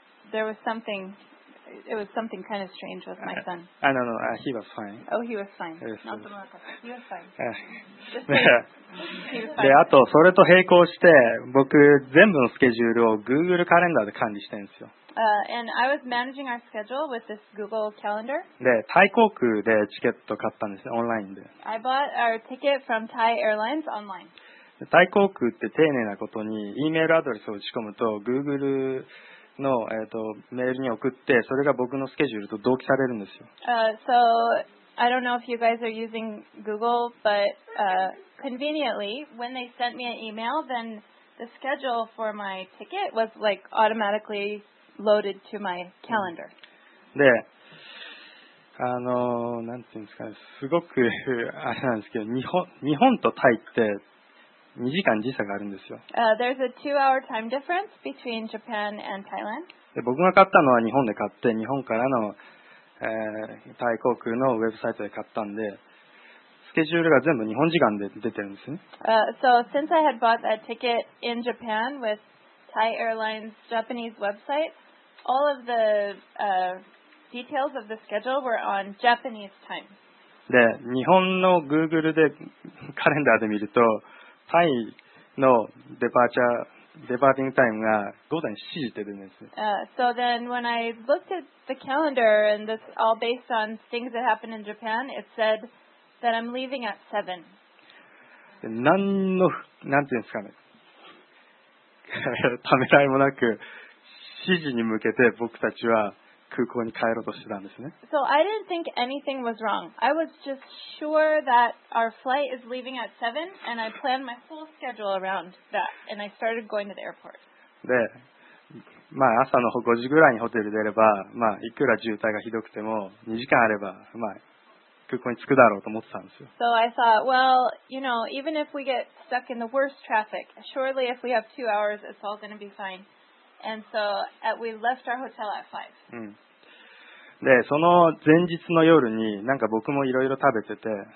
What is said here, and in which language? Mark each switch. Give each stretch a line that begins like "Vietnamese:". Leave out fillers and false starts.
English: There was something, it was something kind of strange with my son. No, he was fine. Oh, he was fine. Yes, he was fine.
Japanese: で、あとそれと並行して僕全部のスケジュールを Google カレンダーで管理してるんですよ。
English: And I was managing our schedule with this Google calendar.
Japanese: で、タイ航空でチケット買ったんですよ、オンラインで。
English: I bought our ticket from Thai Airlines online.
Japanese: タイ航空って丁寧なことに、E メールアドレスを打ち込むと、Google の、メールに送って、それが僕のスケジュールと同期されるんですよ。
English: So, I don't know if you guys are using Google, but conveniently, when they sent me an email, then the schedule for my ticket was like automatically loaded to my calendar.
Japanese: で、あの、なんていうんですかね、すごくあれなんですけど、日本とタイって2時間時差があるんですよ。
English: There's a 2-hour time difference between Japan and Thailand.
Japanese: で、僕が買ったのは日本で買って、日本からの、タイ航空のウェブサイトで買ったんで、スケジュールが全部日本時間で出てるんですね。
English: So since I had bought that ticket in Japan with Thai Airlines Japanese website, all of the details of the schedule were on Japanese time.
Japanese: で、日本の Google でカレンダーで見ると、タイのデパーティングタイムが午前7時って出るんです。
English: So then when I looked at the calendar and this all based on things that happened in Japan, it said that I'm leaving at 7.
Japanese: で、なんていうんですかね。ためらいもなく、7時に向けて僕たちは空港に帰ろうとしてたんですね。
English: So I didn't think anything was wrong. I was just sure that our flight is leaving at 7 and I planned my whole schedule around that and I started going to the airport.
Japanese: で、まあ朝の5時ぐらいにホテル出れば、まあいくら渋滞がひどくても2時間あれば、まあ空港に着くだろうと思ってたんですよ。
English: So I thought, well, you know, even if we get stuck in the worst traffic, surely if we have 2 hours, it's all going to be fine. And so we left our hotel at 5.
Japanese: で、その前日の夜に、なんか僕もいろいろ食べてて。